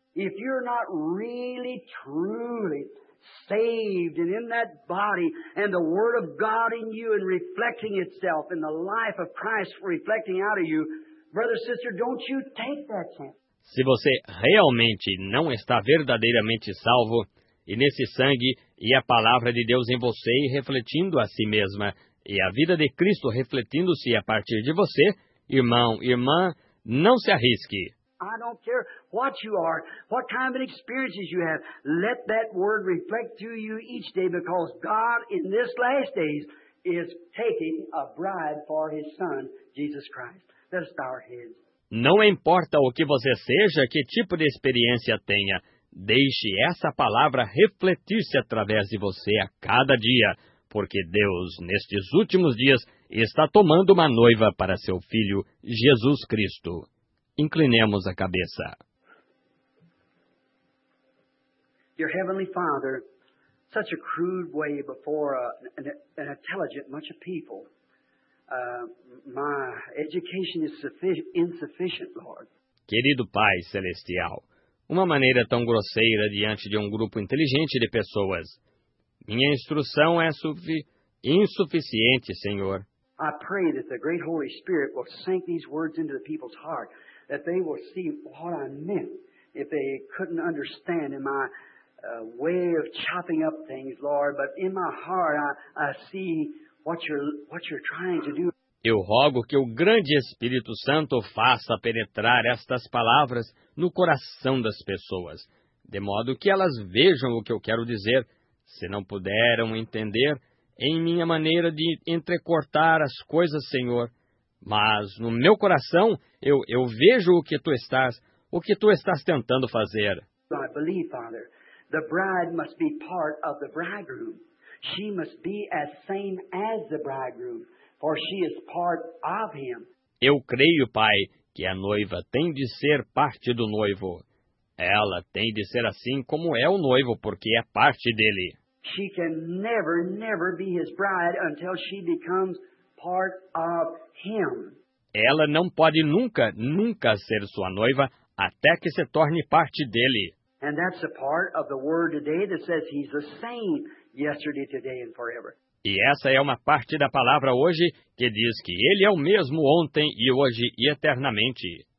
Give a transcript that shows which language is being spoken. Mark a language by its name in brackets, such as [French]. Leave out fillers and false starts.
[English] If you're not really, truly saved and in that body and the Word of God in you and reflecting itself in the life of Christ reflecting out of you, brother, sister, don't you take that chance. [Portuguese] Se você realmente não está verdadeiramente salvo, e nesse sangue e a palavra de Deus em você e refletindo a si mesma, e a vida de Cristo refletindo-se a partir de você, irmão, irmã, não se arrisque. [English] I don't care what you are, what kind of experiences you have, let that word reflect through you each day, because God in this last days is taking a bride for his son, Jesus Christ. Let us bow our heads. [Portuguese] Não importa o que você seja, que tipo de experiência tenha, deixe essa palavra refletir-se através de você a cada dia, porque Deus, nestes últimos dias, está tomando uma noiva para seu Filho, Jesus Cristo. Inclinemos a cabeça. [English] Your Heavenly Father, such a crude way before an intelligent bunch of people. My education is insufficient, Lord. [Portuguese] Querido Pai Celestial, uma maneira tão grosseira diante de um grupo inteligente de pessoas. Minha instrução é insuficiente, Senhor. [English] I pray that the great Holy Spirit will sink these words into the people's heart, that they will see what I meant. If they couldn't understand in my way of chopping up things, Lord, but in my heart I see what you're trying to do. [Portuguese] Eu rogo que o grande Espírito Santo faça penetrar estas palavras no coração das pessoas, de modo que elas vejam o que eu quero dizer, se não puderam entender, em minha maneira de entrecortar as coisas, Senhor. Mas no meu coração eu vejo o que tu estás tentando fazer. [English] I believe, Father, the bride must be part of the bridegroom. She must be as same as the bridegroom, for she is part of him. [Portuguese] Eu creio, Pai, que a noiva tem de ser parte do noivo. Ela tem de ser assim como é o noivo, porque é parte dele. [English] She can never, never be his bride until she becomes part of him. [Portuguese] ela não pode nunca, nunca ser sua noiva até que se torne parte dele. [English] And that's a part of the word today that says he's the same yesterday, today and forever. [Portuguese] E essa é uma parte da palavra hoje que diz que ele é o mesmo ontem e hoje e eternamente.